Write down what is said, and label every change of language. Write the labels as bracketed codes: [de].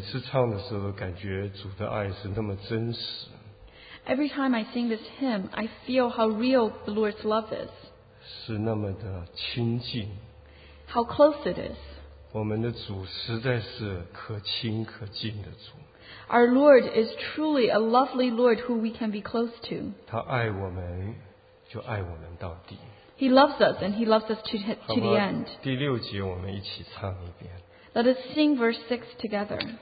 [zh] 唱的时候，感觉主的爱是那么真实。 [en] Every time I sing this hymn, I feel how real the Lord's love is. [zh] 是那么的亲近。 [en] How close it is. [zh] 我们的主实在是可亲可近的主。 [en] Our Lord is truly a lovely Lord who we can be close to. [zh] 他爱我们，就爱我们到底。 [en] He loves us and he loves us to the end. [zh] 第六节我们一起唱一遍。 [en] Let us sing verse 6 together.